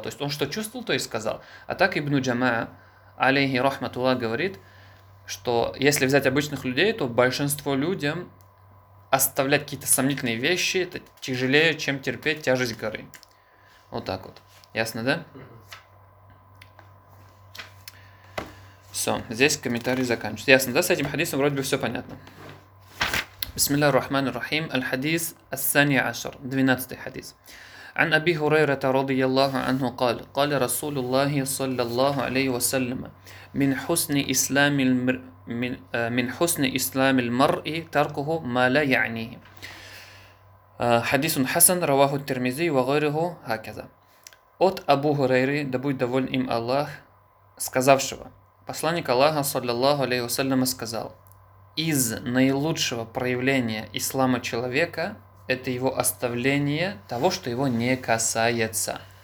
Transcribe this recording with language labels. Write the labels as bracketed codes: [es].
[ru] То есть он что чувствовал, то и сказал. А так Ибн Джамаа, [ar] алейхи рахматуллах, [ru] говорит, что если взять обычных людей, то большинство людям оставлять какие-то сомнительные вещи, это тяжелее, чем терпеть тяжесть горы. Вот так вот. Ясно, да? Все, здесь комментарий заканчивается. Ясно, да, с этим хадисом вроде бы все понятно. [ar] Бисмилля рахмана рахим, аль-хадис ас-сани ашар, 12-й хадис. عن أبي هريرة رضي الله عنه قال قال رسول الله صلى الله عليه وسلم من حسن إسلام من حسن إسلام المرء تركه ما لا يعنيه. Хадис хасан, رواه الترمذي وغيره هكذا. [ru] От Абу Хурейры, да будет доволен им Аллах, сказавшего: Посланник Аллаха, [ar] саллиллаху алейхи вассаляма, [ru] сказал: из наилучшего проявления ислама человека – это его оставление того, что его не касается.